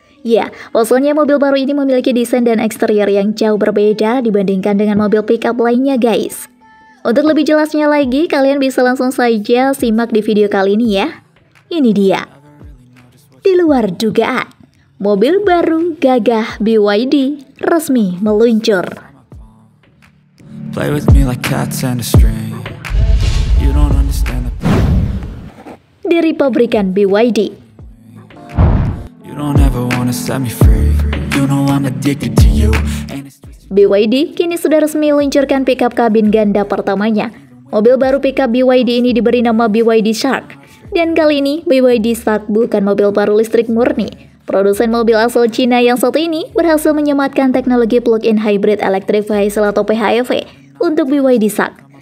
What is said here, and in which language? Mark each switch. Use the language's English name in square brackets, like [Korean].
[Indonesian] Ya, pasalnya mobil baru ini memiliki desain dan eksterior yang jauh berbeda dibandingkan dengan mobil pickup lainnya, guys. Untuk lebih jelasnya lagi, kalian bisa langsung saja simak di video kali ini ya. Ini dia. Di luar dugaan, mobil baru gagah BYD resmi meluncur. [English] Play with me like cats and a string. You don't understand the pain. [Indonesian] Dari pabrikan BYD. [English] You don't ever wanna set me free. You know I'm addicted to you. [Indonesian] BYD kini sudah resmi meluncurkan pickup kabin ganda pertamanya. Mobil baru pickup BYD ini diberi nama BYD Shark. Dan kali ini, BYD Shark bukan mobil baru listrik murni. Produsen mobil asal Cina yang satu ini berhasil menyematkan teknologi plug-in hybrid electric vehicle atau PHEV untuk BYD Shark.